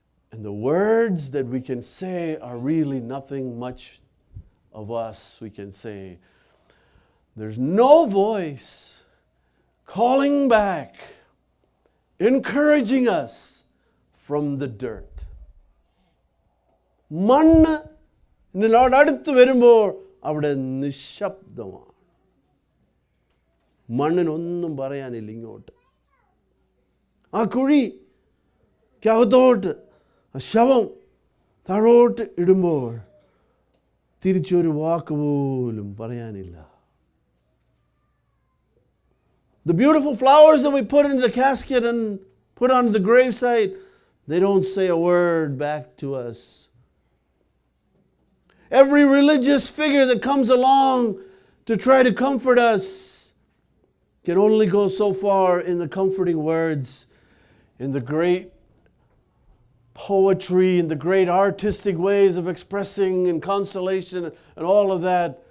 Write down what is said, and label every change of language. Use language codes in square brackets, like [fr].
[en] And the words that we can say are really nothing much of us we can say. There's no voice calling back, encouraging us from the dirt. [ml] മണ്ണ് നിന്നോട് അടുത്ത് വരുമ്പോൾ അവിടെ നിശബ്ദമാണ്. മണ്ണിനൊന്നും പറയാനില്ല ഇങ്ങോട്ട്. ആ കുഴിക്കകത്തോട്ട് ആ ശവം താഴോട്ട് ഇടുമ്പോൾ തിരിച്ചൊരു വാക്ക് പോലും പറയാനില്ല. [en] The beautiful flowers that we put into the casket and put onto the gravesite, they don't say a word back to us. Every religious figure that comes along to try to comfort us can only go so far in the comforting words, in the great poetry, in the great artistic ways of expressing and consolation and all of that.